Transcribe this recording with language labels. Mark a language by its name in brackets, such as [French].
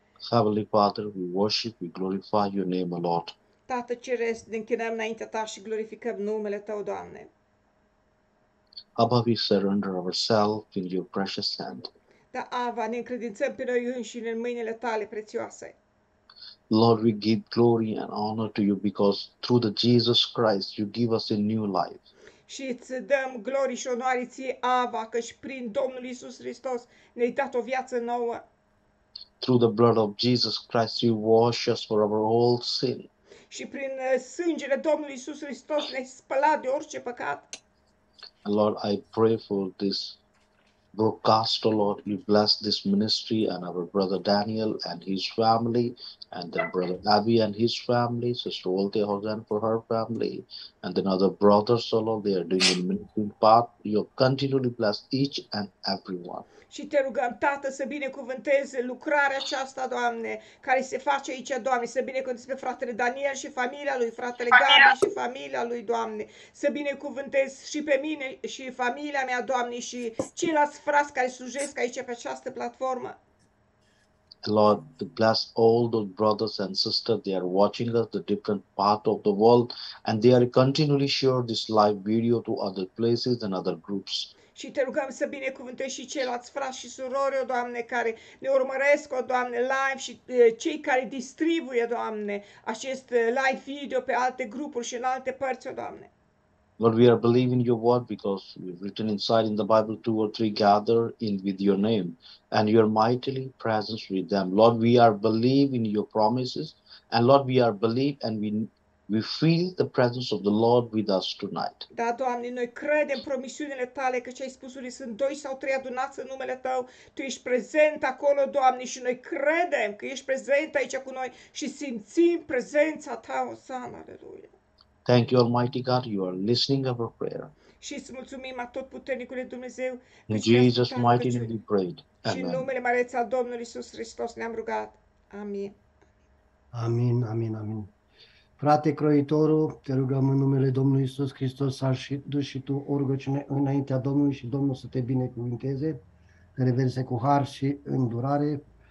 [English] Heavenly Father, we worship, we glorify your name a lot. [Romanian] Tată Ceresc, ne închinăm înaintea Ta și glorificăm numele Tău, Doamne. [English] Abba, we surrender ourselves in your precious hand. [Romanian] Da, Ava, ne încredințăm pe noi înșine în mâinile Tale prețioase. [English] Lord, we give glory and honor to you because through the Jesus Christ you give us a new life. [Romanian] Și îți dăm glorie și onoare ție, Ava, căci prin Domnul Iisus Hristos ne-ai dat o viață nouă. [English] Through the blood of Jesus Christ, you wash us for our all sin. [Romanian] Și prin sângele Domnului Iisus Hristos ne-ai spălat de orice păcat. [English] Lord, I pray for this broadcast, O Lord. You bless this ministry and our brother Daniel and his family, and then brother Abby and his family, Sister Olte Hogan for her family, and then other brothers, O Lord, they are doing the ministry part. You continually bless each and everyone. [Romanian] Și te rugăm, Tată, să binecuvânteze lucrarea aceasta, Doamne, care se face aici, Doamne, să binecuvânteze pe fratele Daniel și familia lui, fratele Gabi și familia lui, Doamne, să binecuvânteze și pe mine și familia mea, Doamne, și ceilalți frați care slujesc aici pe această platformă. [English] Lord, bless all those brothers and sisters, they are watching us, the different part of the world, and they are continually share this live video to other places and other groups. [Romanian] Și te rugăm să binecuvântezi și ceilalți frați și surori, o Doamne, care ne urmăresc, o Doamne, live și cei care distribuie, Doamne, acest live video pe alte grupuri și în alte părți, o Doamne. [English] Lord, we are believing your word because we've written inside in the Bible two or three gather in with your name and your mightily presence with them. Lord, we are believing your promises and Lord, we are believe and we feel the presence of the Lord with us tonight. [Romanian] Da, Doamne, noi credem promisiunile tale, căci ai spus, unde sunt doi sau trei adunați în numele tău, tu ești prezent acolo, Doamne, și noi credem că ești prezent aici cu noi și simțim prezența ta, Osana, aleluia. [English] Thank you, Almighty God, you are listening our prayer. [Romanian] Și îți mulțumim a tot puternicului Dumnezeu. [English] In Jesus' mighty name we prayed. [Romanian] Și în numele mareț al Domnului Iisus Hristos ne-am rugat. Amin. Amin, amin, amin. Frate Croitoru, te rugăm în numele Domnului Iisus Hristos să și duci și tu o rugăciune înaintea Domnului și Domnul să te binecuvinteze, te reverse cu har și îndurare.